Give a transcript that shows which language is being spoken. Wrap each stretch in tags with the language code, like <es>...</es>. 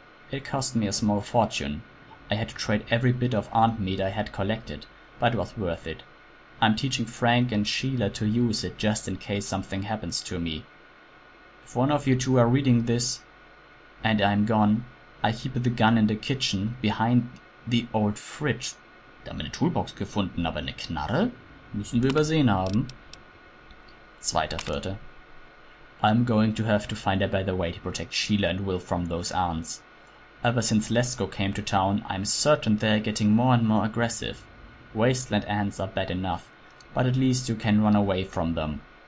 <en>It cost me a small fortune. I had to trade every bit of ant meat I had collected, but it was worth it. I'm teaching Frank and Sheila to use it just in case something happens to me. If one of you two are reading this and I'm gone, I keep the gun in the kitchen behind the old fridge.</en> <de>Da haben wir eine Toolbox gefunden, aber eine Knarre? Müssen wir übersehen haben. 2.4.</de> <en>I'm going to have to find a better way to protect Sheila and Will from those ants. Ever since Lesko came to town, I'm certain they're getting more and more aggressive. Wasteland ants are bad enough, but at least you can run away from them.</en>